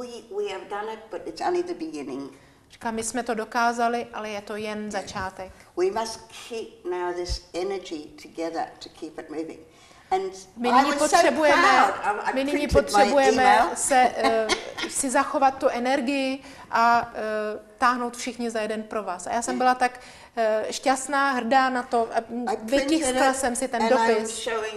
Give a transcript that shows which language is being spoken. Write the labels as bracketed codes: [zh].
[en] We have done it, but it's only the beginning. [cs] Říká, my jsme to dokázali, ale je to jen začátek. [en] We must keep now this energy together to keep it moving. [cs] And my nyní potřebujeme si zachovat tu energii a táhnout všichni za jeden pro vás. A já jsem byla tak šťastná, hrdá na to, vytiskla jsem si ten dopis.